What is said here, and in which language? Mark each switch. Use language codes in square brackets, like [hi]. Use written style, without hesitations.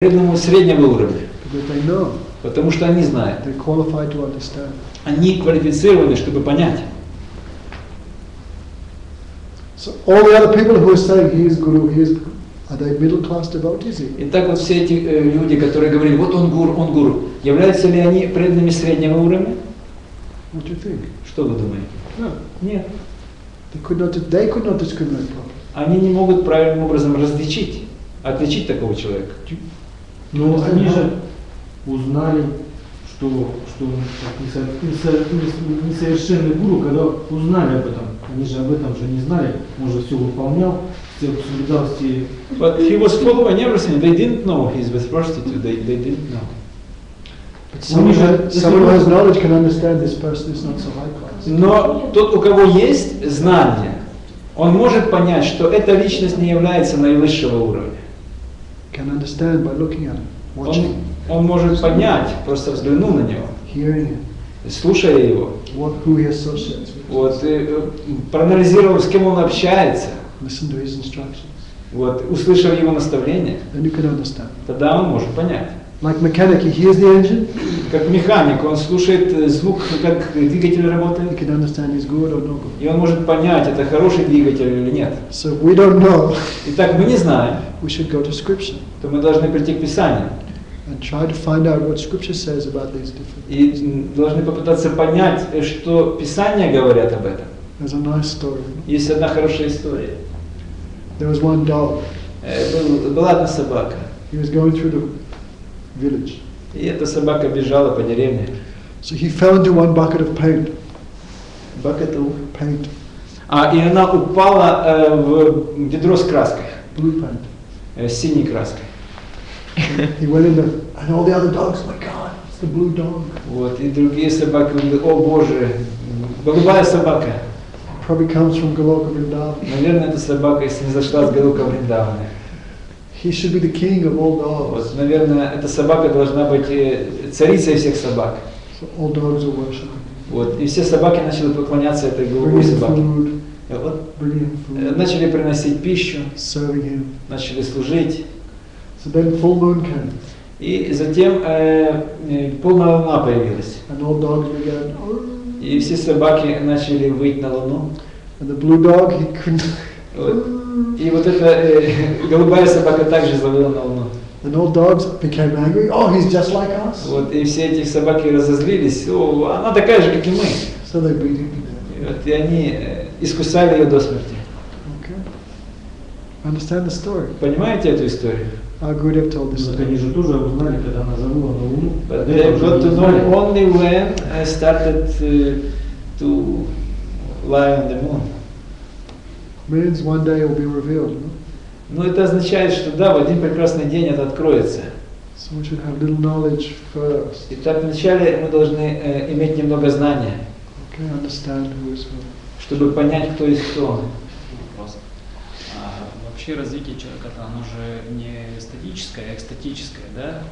[ru] преданному среднего уровня. [en] Because they know. [ru] Потому что они знают. [en] They qualified to understand. [ru] Они квалифицированы, чтобы понять. [en] So all the other people who are saying he is guru, he is guru, are they middle class devotees? [ru] Итак, вот все эти люди, которые говорили, вот он гуру, являются ли они преданными среднего уровня? [en] What do you think? [ru] Что вы думаете? [en] No. [ru] Нет. [en] They could not discriminate properly. [ru] Они не могут правильным образом отличить такого человека. Но они же узнали, что несовершенный гуру, когда узнали об этом. Они же об этом же не знали, он же все выполнял, все соблюдал все. [en] But he was following everything. They didn't know he's with prostitute. They didn't know. But someone who has knowledge can understand this person is not so high class. [ru] Но тот, у кого есть знания, он может понять, что эта личность не является наивысшего уровня. [en] Can understand by looking at him, watching. [ru] Он может понять, просто взглянув на него, [en] hearing him, [ru] слушая его. [en] What, who he associates with. [ru] Вот, проанализировав, с кем он общается. [en] Listen to his instructions. [ru] Вот, услышав его наставления. [en] Then you can understand. [ru] Тогда он может понять. [en] Like mechanic, he hears the engine. [ru] Как механик, он слушает звук, как двигатель работает. [en] He can understand he's good or not good. [ru] И он может понять, это хороший двигатель или нет. [en] So we don't know. [ru] Итак, мы не знаем. [en] We should go to scripture. [ru] То мы должны прийти к Писанию. [en] And try to find out what scripture says about these different things. [ru] И должны попытаться понять, что Писания говорят об этом. [en] There's a nice story. [ru] Есть одна хорошая история. [en] There was one dog. [ru] Была одна собака. [en] He was going through the village. [ru] И эта собака бежала по деревне. [en] So he fell into one bucket of paint. Bucket of paint. [ru] И она упала в ведро с краской. [en] Blue paint. [ru] Синей краской. [en] He went in there, and all the other dogs, my God, it's the blue dog. [ru] Вот, и другие собаки, он говорит, о боже, голубая собака. [en] Probably comes from Голока Вриндавана. [ru] Наверное, эта собака, если не зашла с Голока Вриндавана. [en] He should be the king of all dogs. [ru] Вот, наверное, эта собака должна быть царицей всех собак. [en] So all dogs are worshiping. [ru] Вот, и все собаки начали поклоняться этой голубой собаке. [en] Bringing food. [ru] Начали приносить пищу. [en] Serving him. [ru] Начали служить. [en] So then full moon came. [ru] И затем полная луна появилась. [en] And all dogs began. [ru] И все собаки начали выть на луну. [en] And the blue dog, he couldn't. [ru] И вот эта голубая собака также завыла на луну. [en] And all dogs became angry. Oh, he's just like us. [ru] Вот, и все эти собаки разозлились. О, она такая же, как и мы. [en] So they beat him. [ru] Вот, и они искусали ее до смерти. [en] Okay. Understand the story. [ru] Понимаете эту историю? [en] Our guru have told this story. [ru] Они же тоже узнали, когда она завыла на луну. [en] They got to know only when I started to lie on the moon. Means one day it will be revealed. [ru] Ну, это означает, что да, в один прекрасный день это откроется. [en] So we should have little knowledge first. [ru] Итак, вначале мы должны иметь немного знания. [en] Okay, understand who is who. [ru] Чтобы понять, кто есть кто. Вообще развитие человека, оно же не статическое, а экстатическое, да?